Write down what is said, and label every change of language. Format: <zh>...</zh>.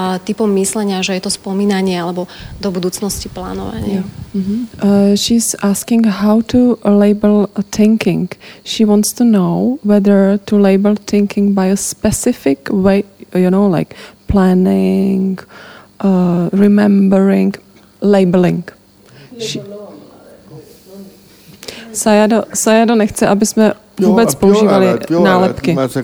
<sk>Typom myslenia, že je to spomínanie alebo do budúcnosti plánovanie.</sk> <en>Yeah. Mm-hmm. She's asking how to label thinking. She wants to know whether to label thinking by a specific way, you know, like planning, remembering, labeling. She...</en> <cs>Sayado nechce, aby jsme vůbec používali nálepky.</cs>